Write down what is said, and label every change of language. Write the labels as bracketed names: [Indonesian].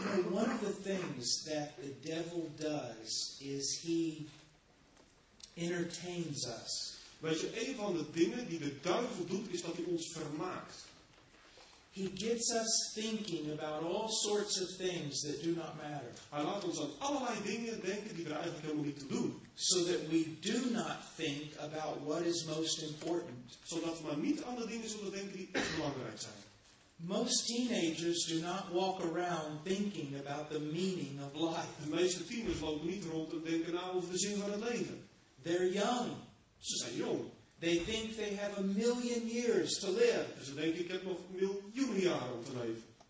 [English] One of the things that the devil does is he entertains us. [Dutch] Weet je, een van de dingen die de duivel doet is dat hij ons vermaakt. [English] He gets us thinking about all sorts of things that do not matter. [Dutch] Hij laat ons aan allerlei dingen denken die we eigenlijk helemaal niet te doen. [English] So that we do not think about what is most important. [Dutch] Zodat we maar niet aan de dingen zullen denken die echt belangrijk zijn. [English] Most teenagers do not walk around thinking about the meaning of life. [Dutch] De meeste tieners lopen niet rond en denken over de zin van het leven. [English] They're young. [Dutch] Ze zijn jong. [English] They think they have a million years to live. [Dutch] Dus ze denken, ik heb nog miljoenen jaren om te leven.